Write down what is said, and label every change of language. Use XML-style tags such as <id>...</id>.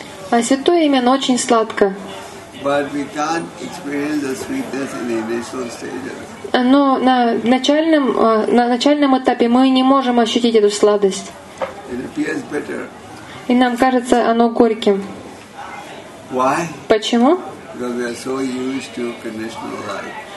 <ru>А Святое Имя, оно очень сладко.</ru> <en>But we can't experience the sweetness in the initial stages.</en> <ru>Но на начальном этапе мы не можем ощутить эту сладость.</ru> <en>It appears bitter.</en> <ru>И нам кажется оно горьким.</ru> <en>Why?</en> <ru>Почему?</ru> <en>Because we are so used to conditional life.</en>